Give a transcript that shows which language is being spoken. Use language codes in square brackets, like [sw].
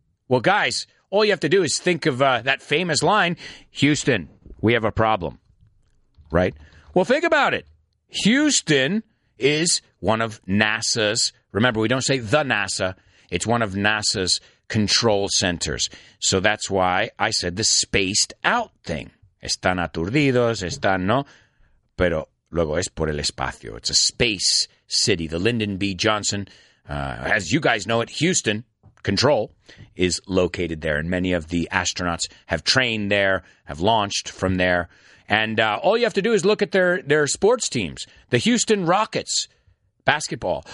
[en] Well, guys, all you have to do is think of that famous line, Houston, we have a problem. Right. Well, think about it. Houston is one of NASA's, remember, we don't say the NASA, it's one of NASA's control centers. So that's why I said the spaced out thing. [es] Están aturdidos, están, no, pero luego es por el espacio. [en] It's a space city. The Lyndon B. Johnson, as you guys know it, Houston Control, is located there. And many of the astronauts have trained there, have launched from there. And all you have to do is look at their sports teams. The Houston Rockets, basketball.